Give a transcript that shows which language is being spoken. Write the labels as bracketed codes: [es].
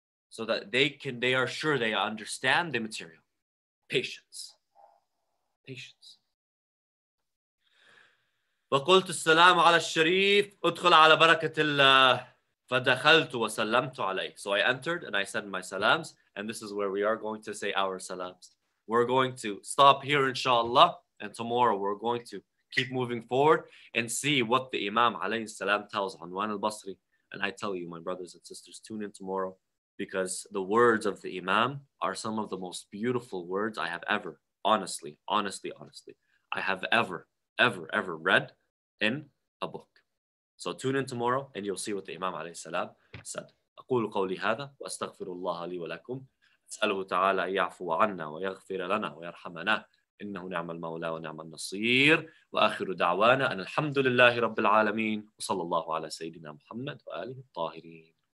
[en] so that they are sure they understand the material. Patience. Patience. [ar] وقلت السلام على الشريف ادخل على بركة الله فدخلت وسلمت عليه. [en] So I entered and I said my salams, and this is where we are going to say our salams. We're going to stop here inshallah, and tomorrow we're going to keep moving forward and see what the Imam alayhi salam tells Anwan al-Basri. And I tell you, my brothers and sisters, tune in tomorrow, because the words of the Imam are some of the most beautiful words I have ever, honestly, I have ever read in a book. So tune in tomorrow and you'll see what the Imam alayhi salam said. [ar] أقول قولي هذا وأستغفر الله لي ولكم أسأله تعالى يعفو عنا ويغفر لنا ويرحمنا إنه نعم المولى ونعم النصير وآخر دعوانا أن الحمد لله رب العالمين وصلى الله على سيدنا محمد وآله الطاهرين.